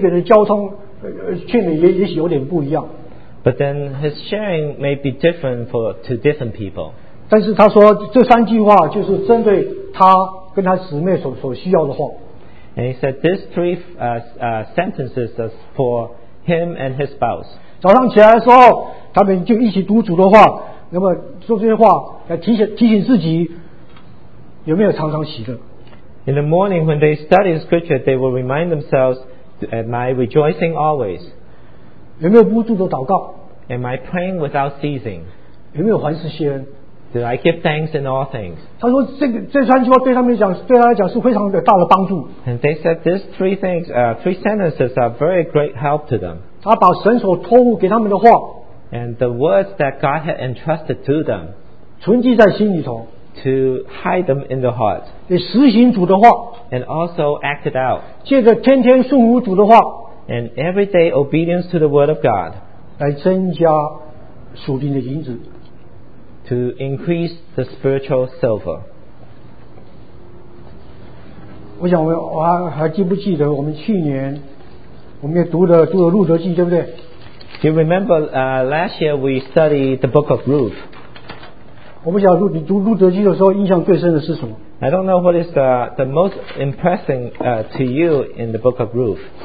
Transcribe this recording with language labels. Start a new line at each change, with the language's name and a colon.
Chinese: 但是他对每个人的交通劝勉也许有点不一样,
English: but then his sharing may be different to different people.
Chinese: 但是他说这三句话就是针对他跟他姊妹所需要的话,
English: and he said these three sentences are for him and his spouse.
Chinese: 早上起来的时候他们就一起读主的话, 那么说这些话来提醒自己, 有没有常常喜乐?
English: In the morning when they study scripture, they will remind themselves, am I rejoicing always?
Chinese: 有没有不住的祷告?
English: Am I praying without ceasing?
Chinese: 有没有凡事先?
English: Do I give thanks in all things?
Chinese: 他说这三句话对他们来讲是非常大的帮助。
English: And they said these three things, three sentences are very great help to them.
Chinese: 他把神所托付给他们的话,
English: and the words that God had entrusted to them,
Chinese: 存记在心里头,
English: to hide them in the heart,
Chinese: 也实行主的话,
English: and also act it out,
Chinese: 借着天天顺服主的话,
English: and everyday obedience to the word of God,
Chinese: 来增加属灵的银子,
English: to increase the spiritual silver.
Chinese: 我想我还记不记得我们去年我们也读了路德记, 对不对?
English: Do you remember last year we studied the book of Ruth?
Chinese: 我不晓得你读路德记的时候印象最深的是什么?
English: I don't know what is the most impressing to you in the book of Ruth.